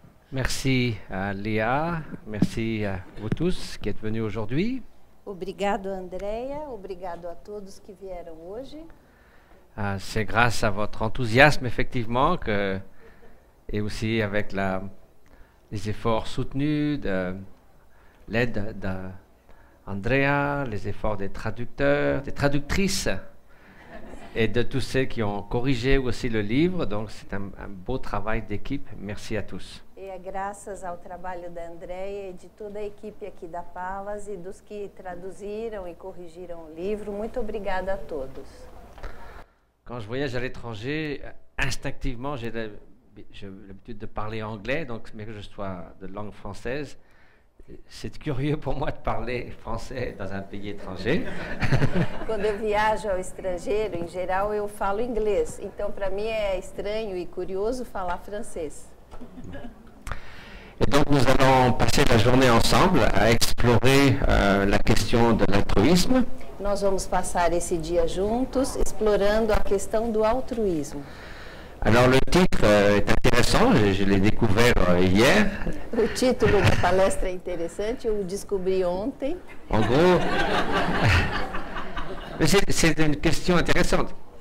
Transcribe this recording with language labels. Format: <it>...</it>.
<fr>Merci à Léa, merci à vous tous qui êtes venus aujourd'hui.</fr> <pt>Obrigado, Andrea. Obrigado a todos que vieram hoje.</pt> <fr>C'est grâce à votre enthousiasme, effectivement, que et aussi avec les efforts soutenus de l'aide d'Andrea, les efforts des traducteurs, des traductrices, et de tous ceux qui ont corrigé aussi le livre. Donc c'est un beau travail d'équipe. Merci à tous. Et grâce au travail d'Andrea et de toute l'équipe ici de Palas et</fr> <pt>dos qui traduziram</pt> <fr>et corrigiram le livre.</fr> <pt>Muito obrigada a todos.</pt> <fr>Quand je voyage à l'étranger, instinctivement, j'ai l'habitude de parler anglais, donc mais que je sois de langue française, c'est curieux pour moi de parler français dans un pays étranger. Quand je voyage au étranger, en général, je parle anglais. Donc, pour moi, c'est étrange et curieux de parler français. Et donc, nous allons passer la journée ensemble à explorer la question de l'altruisme.</fr> <pt>Nós vamos passar esse dia juntos explorando a questão do altruísmo.</pt> <fr>Alors le titre est intéressant, je l'ai découvert hier.</fr> <pt>O título da palestra é interessante, eu descobri ontem.</pt> <fr>En gros, c'est une question intéressante.</fr>